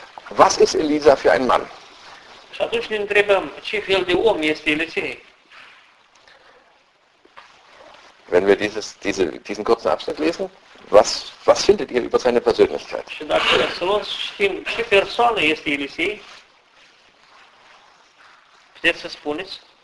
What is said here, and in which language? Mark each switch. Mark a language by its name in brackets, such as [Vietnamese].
[German] Was ist Elisa für ein Mann? [Romanian] Și atunci ne întrebăm, ce fel de om este Elisei? [German] Wenn wir diesen kurzen Abschnitt lesen, was findet ihr über seine Persönlichkeit? [Romanian] Și dacă ne spunem, ce persoană este Elisei? Puteți să spuneți?